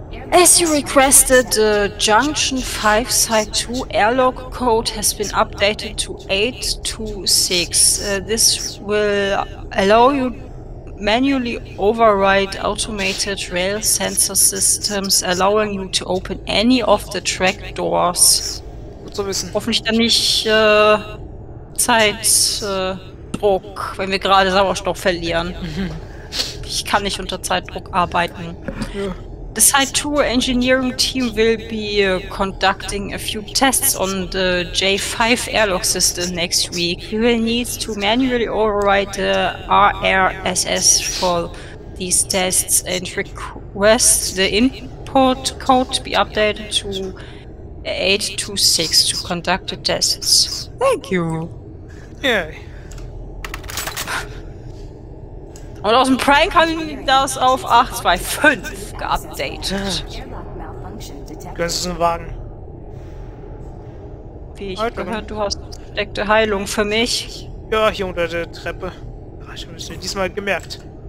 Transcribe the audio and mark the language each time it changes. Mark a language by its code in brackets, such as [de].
[en] As you requested, the Junction 5 Site 2 airlock code has been updated to 826. This will allow you manually override automated rail sensor systems, allowing you to open any of the track doors. [de] Gut zu wissen. Hoffentlich dann nicht Zeitdruck, wenn wir gerade Sauerstoff verlieren. Ich kann nicht unter Zeitdruck arbeiten. Ja. [en] The Site 2 Engineering Team will be conducting a few tests on the J5 airlock system next week. We will need to manually override the RRSS for these tests and request the input code to be updated to 826 to conduct the tests. Thank you. Yeah. [de] Und aus dem Prank haben die das auf 825 geupdatet. Können Sie es nur wagen? Wie ich gehört, du hast versteckte Heilung für mich. Ja, hier unter der Treppe. Ich habe es mir diesmal gemerkt.